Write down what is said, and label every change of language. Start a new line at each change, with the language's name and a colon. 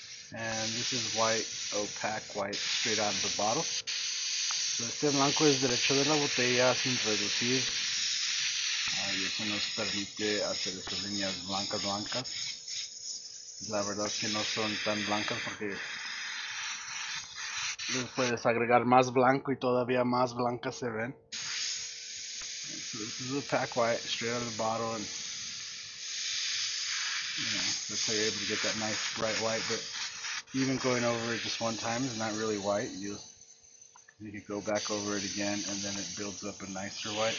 English: And this is white, opaque white, straight out of the bottle.
Spanish: So este blanco es derecho de la botella, sin reducir. Y eso nos permite hacer estas líneas blancas, blancas. La verdad es que no son tan blancas porque les puedes agregar más blanco y todavía más blancas se ven.
English: So this is opaque white, straight out of the bottle. And, you know, that's how you're able to get that nice bright white, but even going over it just one time is not really white. You can go back over it again and then it builds up a nicer white.